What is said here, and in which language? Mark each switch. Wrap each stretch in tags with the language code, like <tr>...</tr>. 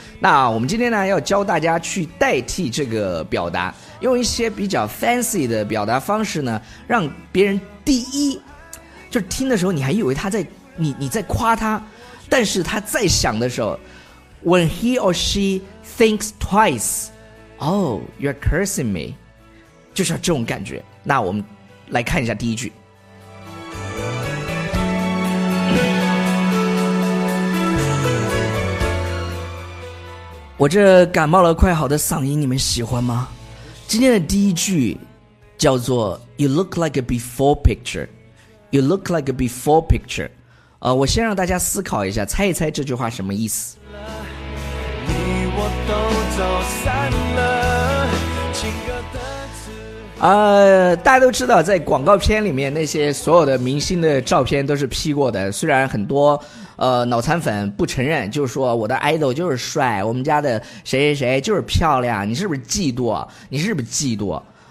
<zh>那我们今天呢要教大家去代替这个表达，用一些比较 fancy 的表达方式呢，让别人第一就是听的时候你还以为他在你在夸他，但是他在想的时候</zh> <en>when he or she thinks twice， oh you're cursing me，</en> <zh>就是这种感觉。那我们来看一下第一句。我这感冒了快好的嗓音你们喜欢吗？今天的第一句叫做</zh> <en>You look like a before picture，</en> <zh>You look like a before picture。我先让大家思考一下，猜一猜这句话什么意思。你我都走散了，情歌的词。大家都知道在广告片里面那些所有的明星的照片都是 P 过的，虽然很多脑残粉不承认，就是说我的 idol 就是帅，我们家的谁谁谁就是漂亮，你是不是嫉妒？你是不是嫉妒？</zh>